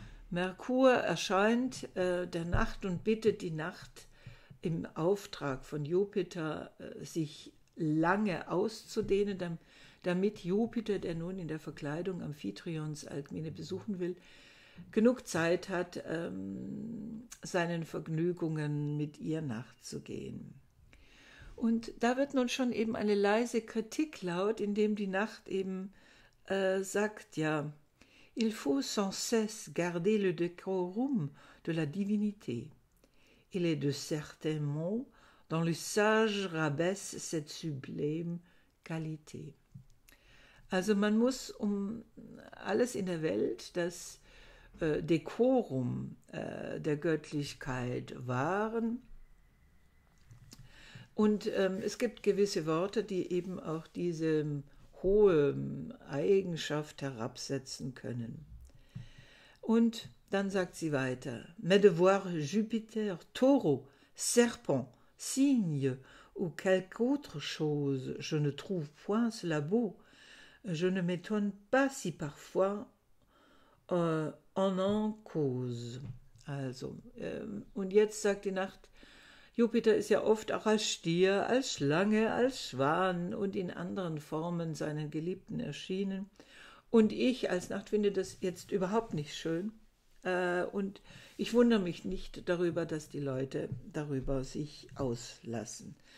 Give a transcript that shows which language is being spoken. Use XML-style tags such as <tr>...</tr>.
<de>Merkur erscheint der Nacht und bittet die Nacht im Auftrag von Jupiter, sich lange auszudehnen, damit Jupiter, der nun in der Verkleidung Amphitryons Alkmene besuchen will, genug Zeit hat, seinen Vergnügungen mit ihr nachzugehen. Und da wird nun schon eben eine leise Kritik laut, indem die Nacht eben sagt, ja,</de> <fr>il faut sans cesse garder le décorum de la divinité. Il est de certains mots dont le sage rabaisse cette sublime qualité.</fr> <de>Also man muss um alles in der Welt, das Dekorum der Göttlichkeit wahren. Und es gibt gewisse Worte, die eben auch diese hohe Eigenschaft herabsetzen können. Und dann sagt sie weiter:</de> <fr>Mais de voir Jupiter, Taureau, Serpent, Cygne ou quelque autre chose, je ne trouve point cela beau. Je ne m'étonne pas si parfois on en cause.</fr> <de>Also, und jetzt sagt die Nacht: Jupiter ist ja oft auch als Stier, als Schlange, als Schwan und in anderen Formen seinen Geliebten erschienen. Und ich als Nacht finde das jetzt überhaupt nicht schön. Und ich wundere mich nicht darüber, dass die Leute darüber sich auslassen.</de>